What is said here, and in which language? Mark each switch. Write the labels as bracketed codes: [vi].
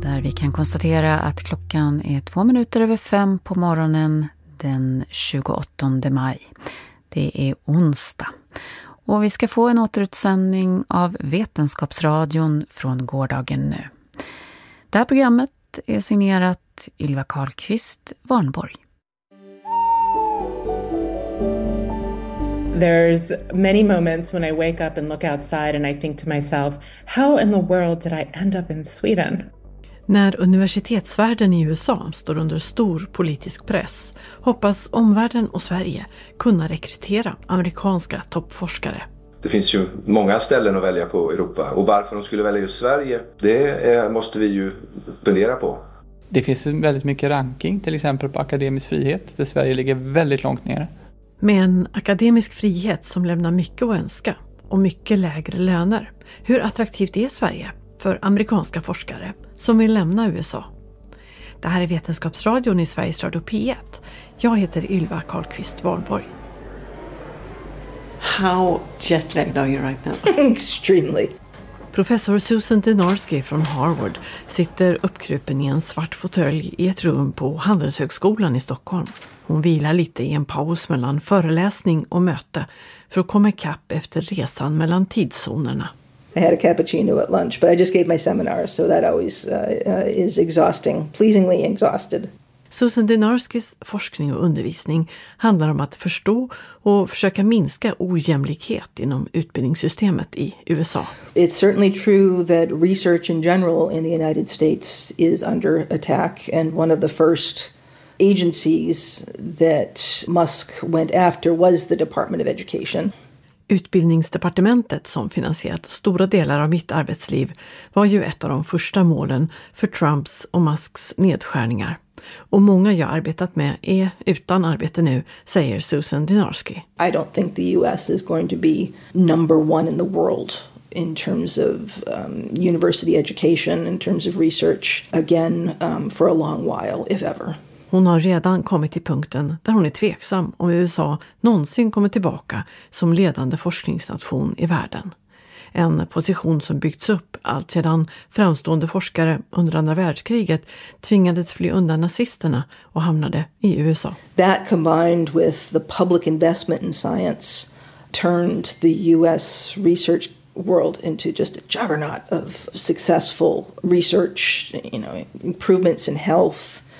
[sv] Där vi kan konstatera att klockan är 5:02 på morgonen den 28 maj. Det är onsdag. Och vi ska få en återutsändning av Vetenskapsradion från gårdagen nu. Det här programmet är signerat Ylva Karlqvist Warnborg. [en] There's many moments when I wake up and look outside and I think to myself, how in the world did I end up in Sweden? [sv] När universitetsvärlden i USA står under stor politisk press hoppas omvärlden och Sverige kunna rekrytera amerikanska toppforskare. Det finns ju många ställen att välja på i Europa och varför de skulle välja just Sverige, det måste vi ju fundera på. Det finns väldigt mycket ranking, till exempel på akademisk frihet, där Sverige ligger väldigt långt ner. Men akademisk frihet som lämnar mycket att önska och mycket lägre löner. Hur attraktivt är Sverige för amerikanska forskare som vill lämna USA? Det här är Vetenskapsradion i Sveriges Radio P1. Jag heter Ylva Karlqvist Warnborg. [en] How jetlagged are you right now? Extremely. [sv] Professor Susan Dynarski från Harvard sitter uppkrupen i en svart fåtölj i ett rum på Handelshögskolan i Stockholm. Hon vilar lite i en paus mellan föreläsning och möte för att komma ikapp efter resan mellan tidszonerna. [en] I had a cappuccino at lunch, but I just gave my seminar, so that always is exhausting, pleasingly exhausted. [sv] Susan Dynarskis forskning och undervisning handlar om att förstå och försöka minska ojämlikhet inom utbildningssystemet i USA. [en] It's certainly true that research in general in the United States is under attack, and one of the first agencies that Musk went after was the Department of Education. [sv] Utbildningsdepartementet som finansierat stora delar av mitt arbetsliv var ju ett av de första målen för Trumps och Musks nedskärningar. Och många jag arbetat med är utan arbete nu, säger Susan Dynarski. [en] I don't think the US is going to be number one in the world in terms of university education, in terms of research again for a long while, if ever. [sv] Hon har redan kommit till punkten där hon är tveksam om USA någonsin kommer tillbaka som ledande forskningsnation i världen. En position som byggts upp allt sedan framstående forskare under andra världskriget tvingades fly undan nazisterna och hamnade i USA. [en] That combined with the public investment in science turned the US research world into just a juggernaut of successful research, you know, improvements in health.